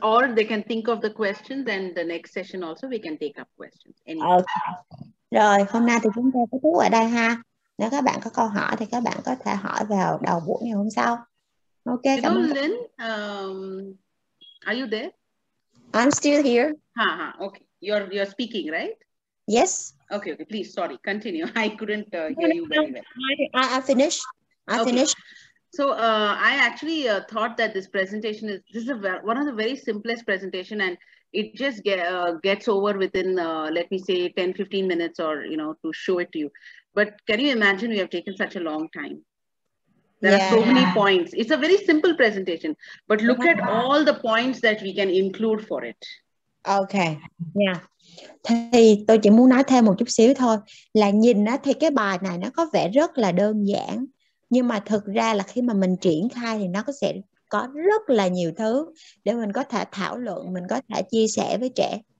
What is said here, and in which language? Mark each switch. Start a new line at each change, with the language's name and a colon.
English: Or they can think of the questions and the next session also we can take up questions. Okay.
Vietnamese: Rồi, hôm nay thì chúng ta kết thúc ở đây ha. Nếu các bạn có câu hỏi thì các bạn có thể hỏi vào đầu buổi ngày hôm sau.
English: Ok, you
Vietnamese: cảm ơn.
English: Lynn, are you there? I'm still here. Ha ha, okay. You're speaking, right? Yes. Okay. Please, sorry. Continue. I couldn't hear you very well. I finished. Okay. Finished. So I actually thought that this presentation is one of the very simplest presentation, and it just gets over within, let me say, 10-15 minutes, or you know, to show it to you. But can you imagine we have taken such a long time? There are so many points. It's a very simple presentation, but look at all the points that we can include for it. Okay. Yeah.
Vietnamese: Thì tôi chỉ muốn nói thêm một chút xíu thôi, là nhìn á thì cái bài này nó có vẻ rất là đơn giản, nhưng mà thực ra là khi mà mình triển khai thì nó sẽ có rất là nhiều thứ để mình có thể thảo luận, mình có thể chia sẻ với trẻ.